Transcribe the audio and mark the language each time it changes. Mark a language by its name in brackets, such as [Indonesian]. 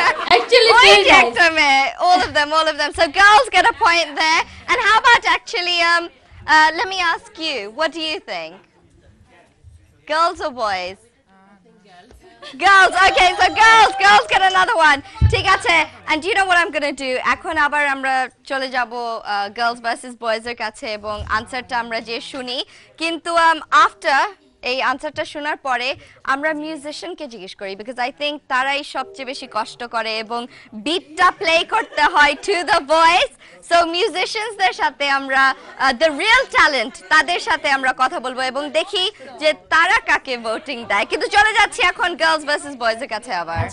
[English] actually [Bangla] ওই যে একটা মেয়ে [English] All of them so girls get a point there and how about actually let me ask you what do you think girls or boys Girls, okay, so girls get another one. [Bangla] ঠিক আছে, [English] and do you know what I'm going to do? [Bangla] এখন আবার আমরা চলে যাবো girls versus boys এর কাছে এবং আনসারটা আমরা যে শুনি কিন্তু after এই আনসারটা শোনার পরে আমরা মিউজিশিয়ানকে জিজ্ঞেস করি [English] because I think [Bangla] তারাই সবচেয়ে বেশি কষ্ট করে এবং বিটটা প্লে করতে হয় [English] to the voice [Bangla] সো মিউজিশিয়ানসদের সাথে আমরা [English] the real talent [Bangla] তাদের সাথে আমরা কথা বলবো এবং দেখি যে তারা কাকে ভোটিং দেয় কিন্তু চলে যাচ্ছি এখন গার্লস ভার্সেস বয়েজের কাছে আবার